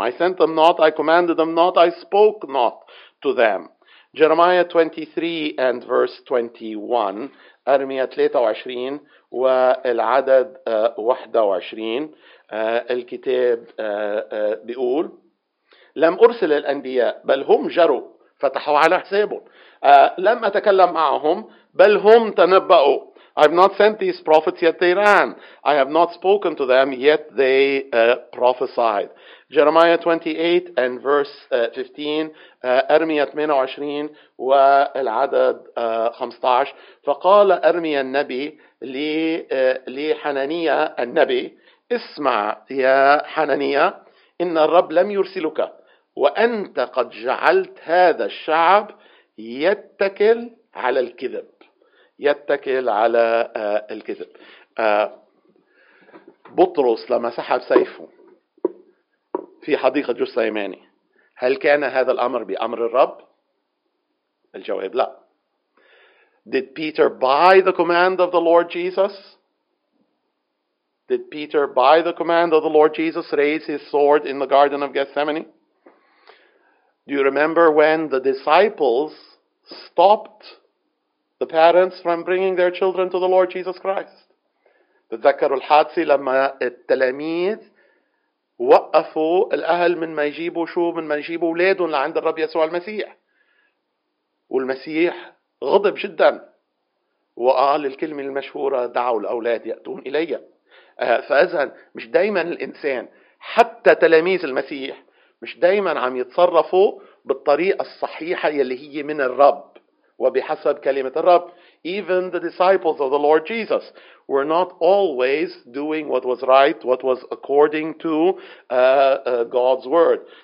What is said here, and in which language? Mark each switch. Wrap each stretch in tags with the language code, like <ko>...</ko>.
<en>I sent them not, I commanded them not, I spoke not to them. Jeremiah 23 and verse 21,</en> <ar>أرمية 23 والعدد 21 الكتاب بيقول لم أرسل الأنبياء بل هم جروا فتحوا على حسابهم. لم أتكلم معهم بل هم تنبأوا.</ar> <en>I have not sent these prophets, yet they ran. I have not spoken to them, yet they prophesied. Jeremiah 28 and verse 15,</en> <ar>أرمية 28 والعدد 15. فقال أرمية النبي لحنانية النبي اسمع يا حنانية إن الرب لم يرسلك وأنت قد جعلت هذا الشعب يتكل على الكذب. يتكل على الكذب. بطرس لما سحب سيفه في حديقة جثيماني هل كان هذا الأمر بأمر الرب؟ الجواب لا.</ar> <en>Did Peter buy the command of the Lord Jesus? Did Peter buy the command of the Lord Jesus raise his sword in the Garden of Gethsemane? Do you remember when the disciples stopped the parents from bringing their children to the Lord Jesus Christ?</en> <ar>تذكروا الحادثة لما التلاميذ وقفوا الأهل من ما يجيبوا شو من ما يجيبوا أولادهم لعند الرب يسوع المسيح والمسيح غضب جدا وقال الكلمة المشهورة دعوا الأولاد يأتون إلي. فإذن مش دايما الإنسان حتى تلاميذ المسيح مش دايما عم يتصرفوا بالطريقة الصحيحة يلي هي من الرب وبحسب كلمة الرب.</ar> <en>Even the disciples of the Lord Jesus were not always doing what was right, what was according to God's word.</en>